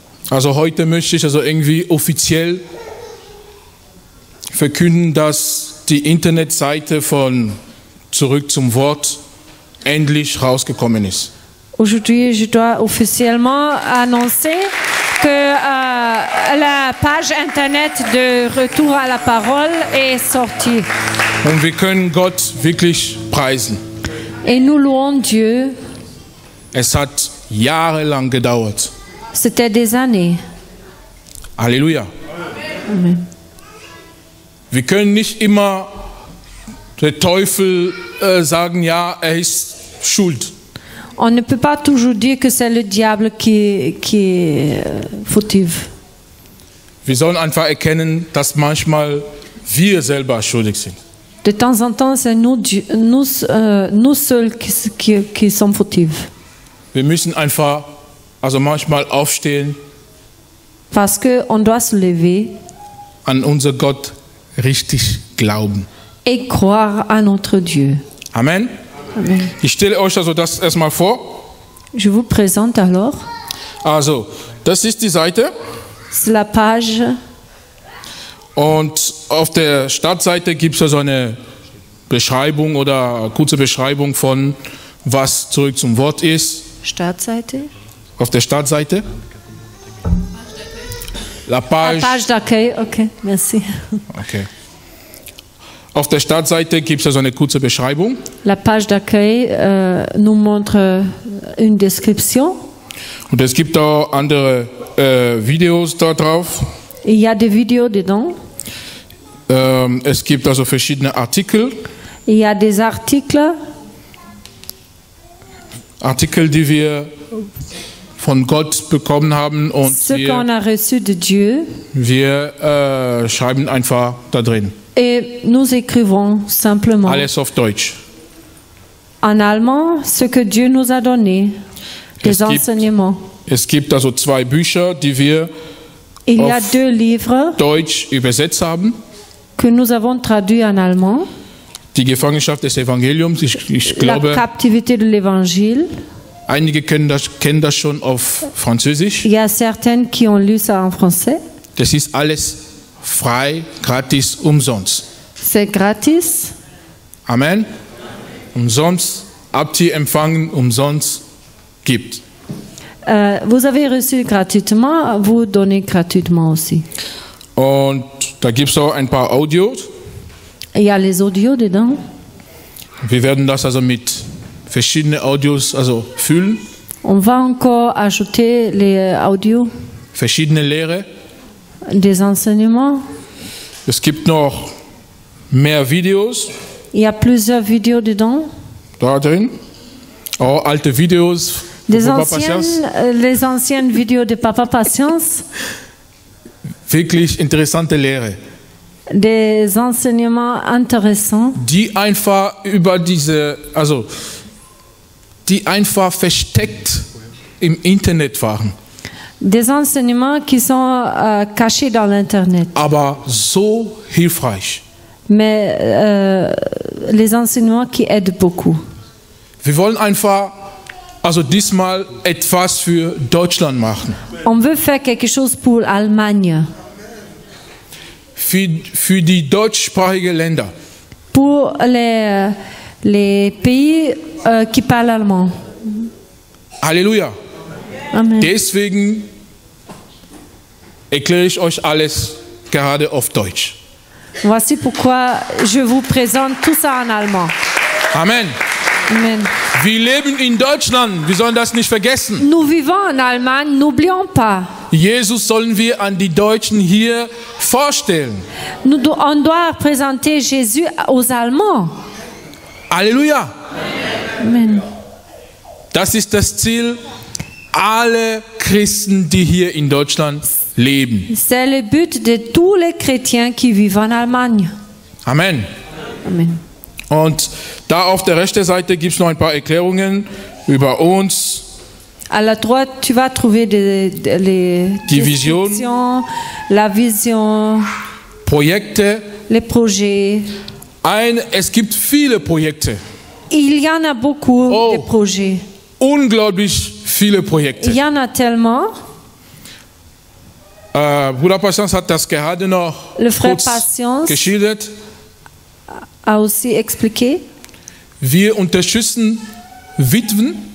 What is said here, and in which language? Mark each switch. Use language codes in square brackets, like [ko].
[de] Also heute möchte ich also irgendwie offiziell verkünden, dass die Internetseite von Zurück zum Wort endlich rausgekommen ist. [fr] Aujourd'hui, je dois officiellement annoncer que la page internet de Retour à la parole est sortie. [de] Und wir können Gott wirklich preisen. [fr] Et nous louons Dieu. [de] Es hat jahrelang gedauert. [fr] C'était des années. Alléluia. Amen. [de] Wir können nicht immer der Teufel sagen, ja, er ist schuld. [fr] On ne peut pas toujours dire que c'est le diable qui est fautif. [de] Wir sollen einfach erkennen, dass manchmal wir selber schuldig sind. [fr] De temps en temps, c'est nous seuls qui sommes fautifs. [de] Wir müssen einfach also manchmal aufstehen. [fr] Parce que on doit se lever. [de] An unser Gott richtig glauben. [fr] Et croire à notre Dieu. Amen. Amen. [de] Ich stelle euch also das erstmal vor. [fr] Je vous présente alors. [de] Also, das ist die Seite. [fr] C'est la page. [de] Und auf der Startseite gibt es also eine Beschreibung oder eine kurze Beschreibung von was zurück zum Wort ist. Startseite. Auf der Startseite. [fr] La page. La page d'accueil, okay, merci. Okay. [de] Auf der Startseite gibt es also eine kurze Beschreibung. [fr] La page d'accueil nous montre une description. [de] Und es gibt auch andere Videos da drauf. [fr] Il y a des vidéos dedans. [de] Es gibt also verschiedene Artikel. [fr] Il y a des articles. [de] Artikel, die wir von Gott bekommen haben und [fr] ce qu'on a reçu de Dieu. [de] Wir schreiben einfach da drin. [fr] Et nous écrivons simplement. [de] Alles auf Deutsch. [fr] En allemand, ce que Dieu nous a donné, des enseignements. [de] Es gibt also zwei Bücher, die wir [fr] il y a deux livres [de] Deutsch übersetzt haben. [fr] Que nous avons traduit en allemand. [de] Die Gefangenschaft des Evangeliums, ich glaube. [fr] La captivité de l'Évangile. [de] Einige kennen das schon auf Französisch. [fr] Il y a certaines qui ont lu ça en français. [de] Das ist alles frei, gratis, umsonst. [fr] C'est gratis. Amen. [de] Umsonst, habt ihr empfangen, umsonst gibt. [fr] Vous avez reçu gratuitement, vous donnez gratuitement aussi. [de] Und da gibt es auch ein paar Audios. [fr] Il y a les audios dedans. [de] Wir werden das also mit verschiedene Audios, also füllen. [fr] On va encore ajouter les audios. [de] Verschiedene Lehre. [fr] Des enseignements. [de] Es gibt noch mehr Videos. [fr] Il y a plusieurs vidéos dedans. [de] Da drin. Oh, alte Videos. [fr] Les anciennes vidéos de Papa Patience. [de] Wirklich interessante Lehre. [fr] Des enseignements intéressants. [de] Die einfach über diese, also die einfach versteckt im Internet waren. [fr] Des enseignements qui sont cachés dans l'Internet. [de] Aber so hilfreich. [fr] Mais les enseignements qui aident beaucoup. [de] Wir wollen einfach, also diesmal etwas für Deutschland machen. [fr] On veut faire quelque chose pour l'Allemagne. [de] Für die deutschsprachigen Länder. [fr] Pour les pays qui parlent allemand. [de] Halleluja. Amen. Deswegen erkläre ich euch alles gerade auf Deutsch. [fr] Voici pourquoi je vous présente tout ça en allemand. Amen. Amen. [de] Wir leben in Deutschland, wir sollen das nicht vergessen. [fr] Nous vivons en Allemagne, n'oublions pas. [de] Jesus sollen wir an die Deutschen hier vorstellen. [fr] On doit présenter Jésus aux Allemands. Alléluia. Amen. [de] Das ist das Ziel, alle Christen, die hier in Deutschland leben. [fr] C'est le but de tous les chrétiens qui vivent en Allemagne. Amen. Amen. [de] Und da auf der rechten Seite gibt es noch ein paar Erklärungen über uns. [fr] À la droite, tu vas trouver les divisions, la vision, [de] Projekte, [fr] les projets. [de] Es gibt viele Projekte. [fr] Il y en a beaucoup de projets. [de] Unglaublich viele Projekte. [fr] Il y en a tellement. [de] Bruder Patience hat das gerade noch [fr] le frère Patience [de] geschildert. [fr] A aussi expliqué. [de] Wir unterstützen Witwen